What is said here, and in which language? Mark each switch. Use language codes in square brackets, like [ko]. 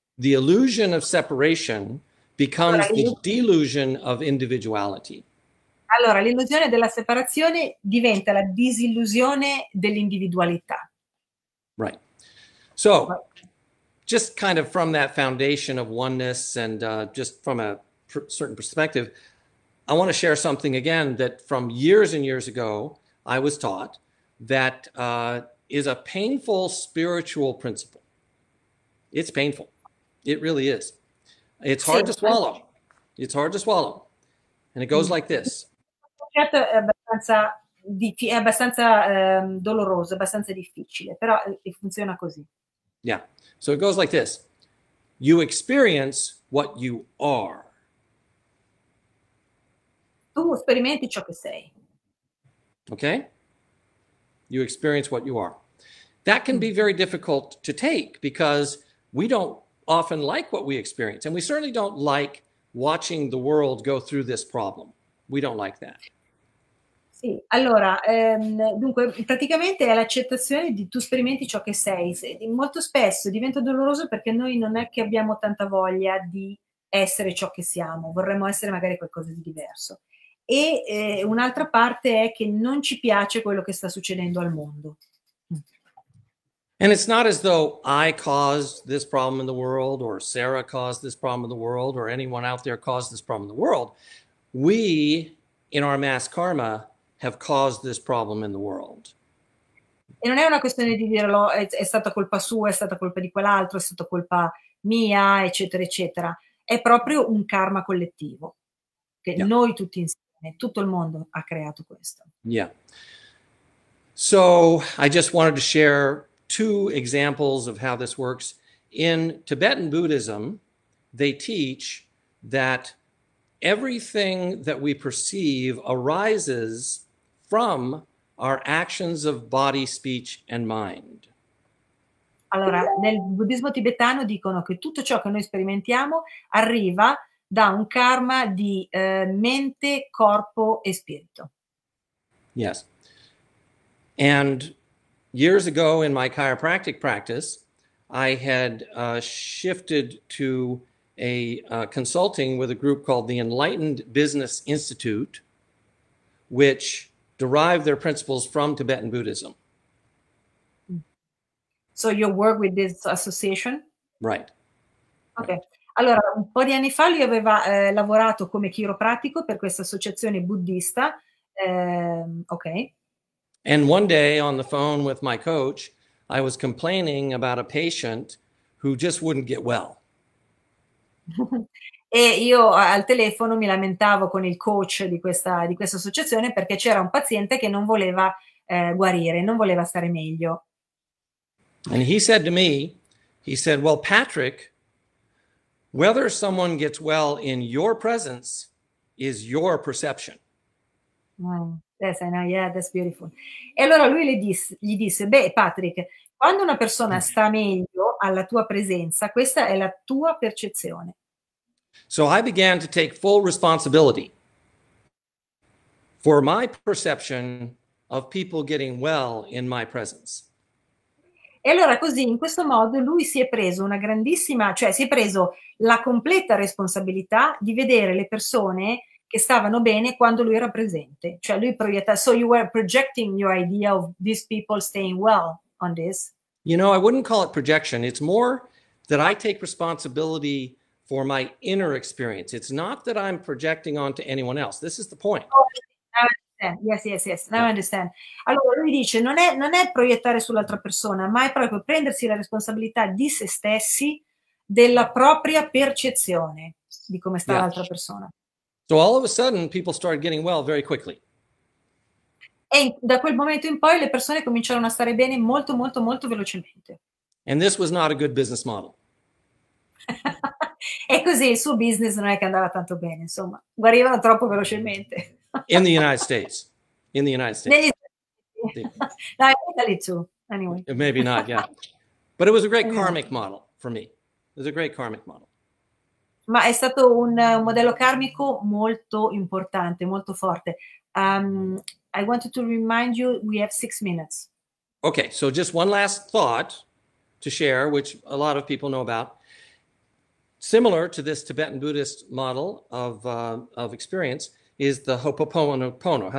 [en] The illusion of separation becomes the delusion of individuality. [it] Allora, l'illusione della separazione diventa la disillusione dell'individualità. [en] Right. So, just kind of from that foundation of oneness and just from a certain perspective, I want to share something again that from years and years ago I was taught that is a painful spiritual principle. It's painful. It really is. It's hard to swallow. It's hard to swallow. And it goes like this. [it] Certo, è abbastanza doloroso, abbastanza difficile, però funziona così. [en] Yeah. So it goes like this. You experience what you are. [it] Tu sperimenti ciò che sei. [en] Okay? You experience what you are. That can be very difficult to take because we don't often like what we experience. And we certainly don't like watching the world go through this problem. We don't like that. [it] Sì, allora, dunque, praticamente è l'accettazione di tu sperimenti ciò che sei. Molto spesso diventa doloroso perché noi non è che abbiamo tanta voglia di essere ciò che siamo. Vorremmo essere magari qualcosa di diverso. E un'altra parte è che non ci piace quello che sta succedendo al mondo. [en] And it's not as though I caused this problem in the world or Sara caused this problem in the world or anyone out there caused this problem in the world. We, in our mass karma, have caused this problem in the world. [it] E non è una questione di dirlo, è stata colpa sua, è stata colpa di quell'altro, è stata colpa mia, eccetera, eccetera. È proprio un karma collettivo. Che yeah. Noi tutti insieme, tutto il mondo ha creato questo. [en] Yeah. So, I just wanted to share two examples of how this works. In Tibetan Buddhism, they teach that everything that we perceive arises from our actions of body, speech, and mind. [it] Allora, nel buddismo tibetano dicono che tutto ciò che noi sperimentiamo arriva da un karma di mente, corpo e spirito. [en] Yes. And years ago in my chiropractic practice, I had shifted to a consulting with a group called the Enlightened Business Institute, which derived their principles from Tibetan Buddhism. So you work with this association? Right. Okay. [it] Allora, un po' di anni fa lui aveva lavorato come chiropratico per questa associazione buddista. [en] Okay. And one day on the phone with my coach, I was complaining about a patient who just wouldn't get well. [it] E io al telefono mi lamentavo con il coach di questa associazione perché c'era un paziente che non voleva guarire, non voleva stare meglio. [en] And he said to me, he said, "Well, Patrick, whether someone gets well in your presence is your perception." Yes, I know. Yeah, that's beautiful. [it] E allora lui gli disse, beh, Patrick, quando una persona sta meglio alla tua presenza, questa è la tua percezione. [en] So I began to take full responsibility for my perception of people getting well in my presence. [it] E allora così, in questo modo, lui si è preso una grandissima, cioè si è preso la completa responsabilità di vedere le persone che stavano bene quando lui era presente. Cioè lui proietta, [en] so you were projecting your idea of these people staying well on this? You know, I wouldn't call it projection. It's more that I take responsibility for my inner experience. It's not that I'm projecting onto anyone else. This is the point. Yes. Now yeah. I understand. [it] Allora, lui dice, non è proiettare sull'altra persona, ma è proprio prendersi la responsabilità di se stessi della propria percezione di come sta yeah. l'altra persona. [en] So all of a sudden people started getting well very quickly. [it] E da quel momento in poi le persone cominciarono a stare bene molto, molto, molto velocemente. [en] And this was not a good business model. [it] E così il suo business non è che andava tanto bene, insomma, guarivano troppo velocemente. [en] In the United States. In the United States. No, in Italy too, anyway. Maybe not, yeah. But it was a great karmic model for me. It was a great karmic model. [it] Ma è stato un modello karmico molto importante, molto forte. [en] I wanted to remind you, we have 6 minutes. Okay, so just one last thought to share, which a lot of people know about. Similar to this Tibetan Buddhist model of experience is the Ho'oponopono.